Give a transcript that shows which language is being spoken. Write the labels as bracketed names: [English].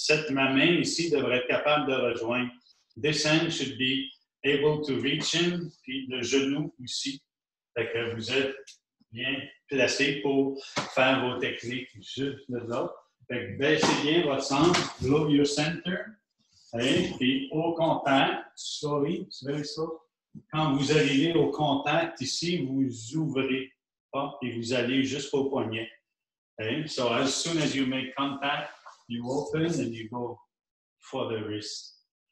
[French] Ma main ici devrait être capable de rejoindre. [English] This hand should be able to reach in. [French] Puis le genou aussi. Fait que vous êtes bien placé pour faire vos techniques juste là. Fait que baissez bien votre centre. [English] Lower your center. [French] Allez, puis au contact. Sorry, c'est vrai ça. Quand vous arrivez au contact ici, vous ouvrez pas et vous allez jusqu'au poignet. [English] Okay? So as soon as you make contact, you open and you go for the wrist.